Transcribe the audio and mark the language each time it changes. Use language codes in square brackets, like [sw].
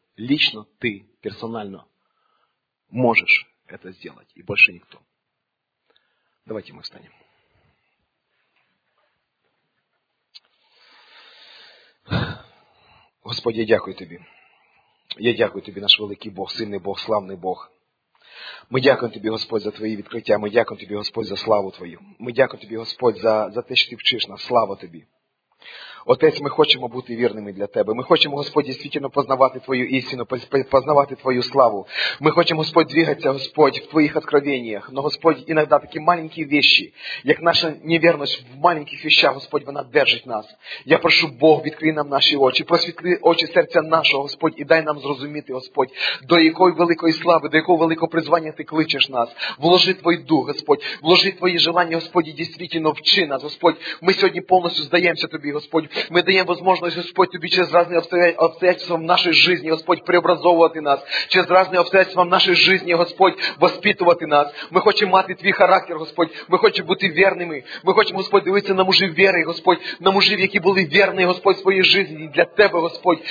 [ru] Лично ты, персонально, можешь это сделать. И больше никто. Давайте мы встанем. [uk] Господи, я дякую Тебе. Я дякую Тебе, наш великий Бог, сильный Бог, славный Бог. [ru] Мы дякуем Тебе, Господь, за Твои відкриття. [uk] Ми дякуємо Тебе, Господь, за славу Твою. Ми дякуємо Тебе, Господь, за те, що Ти вчиш нас. Слава Тобі. Отець, ми хочемо бути вірними для Тебе. Ми хочемо, Господь, дійсно познавати Твою істину, познавати Твою славу. Ми хочемо, Господь, двигатися, Господь, в Твоїх откровеннях. Но, Господь, іноді такі маленькі вещи, як наша невірність в маленьких вещах, Господь, вона держить нас. Я прошу, Бог, відкрий нам наші очі, просвітли очі серця нашого, Господь, і дай нам зрозуміти, Господь, до якої великої слави, до якого великого призвання Ти кличеш нас. Вложи Твій дух, Господь, вложи Твої желання, Господь, дійсно вчи нас, Господь. Ми сьогодні повністю здаємося Тобі, Господь. [ru] Мы даем возможность, Господь, Тебе через разные обстоятельства в нашей жизни, Господь, преобразовывать нас. Через разные обстоятельства в нашей жизни, Господь, воспитывать нас. Мы хотим мати Твой характер, Господь. Мы хотим быть верными. Мы хотим, Господь, дивиться на мужей веры, Господь. На мужей, которые были верны, Господь, в своей жизни. Для Тебе, Господь.